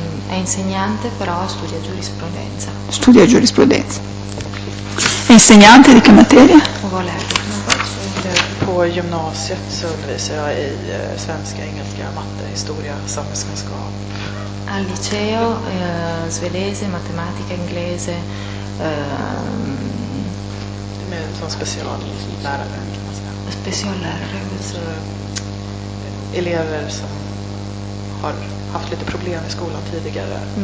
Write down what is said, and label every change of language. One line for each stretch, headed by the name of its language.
Italian: È insegnante, però studia giurisprudenza. Studia giurisprudenza. È insegnante di che materia? Vuole.
Swedish: På gymnasiet så undervisar jag i svenska, engelska, matte, historia, samhällskunskap.
Italian: Al liceo svedese, matematica, inglese. Sono speciallärare.
Swedish: Speciallärare. Elever som har haft lite problem i skolan tidigare.